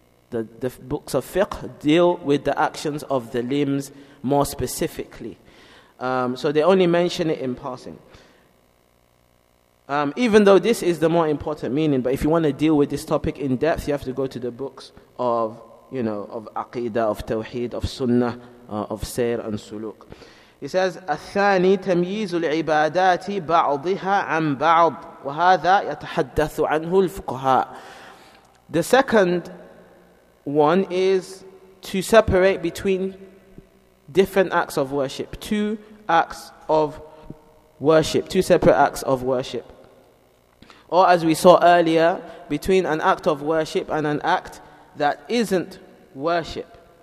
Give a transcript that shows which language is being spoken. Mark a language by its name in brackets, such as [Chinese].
[English] The books of fiqh deal with the actions of the limbs more specifically. So they only mention it in passing. Even though this is the more important meaning, but if you want to deal with this topic in depth, you have to go to the books of, you know, of Aqidah, of Tawheed, of Sunnah, of Sayr and Suluk. He says, [Arabic] الثاني تمييز العبادات بعضها عن بعض وهذا يتحدث عنه الفقهاء. [English] The second one is to separate between different acts of worship. Two acts of worship. Two separate acts of worship. Or as we saw earlier, between an act of worship and an act that isn't worship.